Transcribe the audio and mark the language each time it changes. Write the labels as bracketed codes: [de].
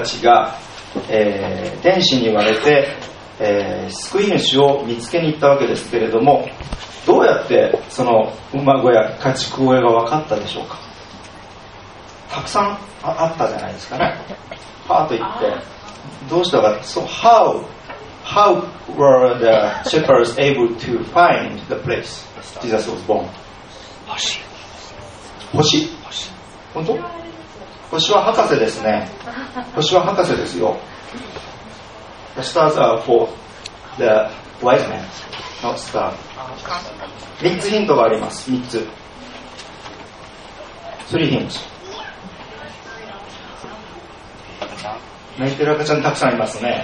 [ja] ちが、天使に言われて、救い主を見つけに行ったわけですけれども、どうやってその馬小屋家畜小屋が分かったでしょうか。たくさん あったじゃないですかね。ハーと言ってどうしたか。 [en] So how were the shepherds able to find the place Jesus was born? [ja] 星。本当？星は博士ですね。星は博士ですよ。 [en] The stars are for the wise men, not star. [ja] 三つヒントがあります。三つ。 [en] Three hints. [ja] 泣いてる赤ちゃんたくさんいますね。